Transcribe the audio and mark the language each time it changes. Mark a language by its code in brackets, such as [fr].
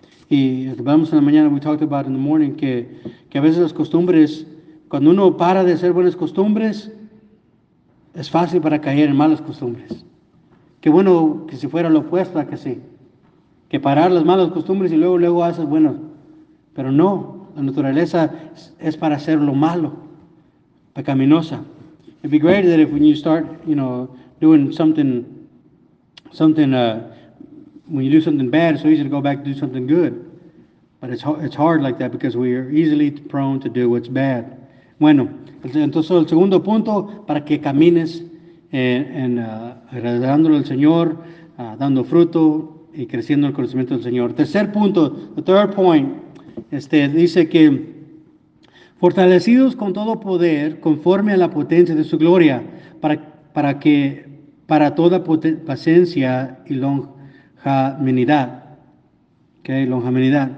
[es] Y vamos en la mañana, [en] we talked about in the morning, [es] que a veces las costumbres, cuando uno para de hacer buenas costumbres, es fácil para caer en malas costumbres. Qué bueno que si fuera lo opuesto, ¿a que sí? Que parar las malas costumbres y luego haces bueno. Pero no, la naturaleza es para hacer lo malo, pecaminosa. [en] It'd be great that if when you start, you know, doing when you do something bad, it's so easy to go back and do something good. But it's hard like that because we are easily prone to do what's bad. [es] Bueno, entonces el segundo punto para que camines en agradándole al Señor, dando fruto y creciendo el conocimiento del Señor. Tercer punto, [en] the third point, [es] dice que fortalecidos con todo poder, conforme a la potencia de su gloria, para toda paciencia y longanimidad. Okay, longanimidad.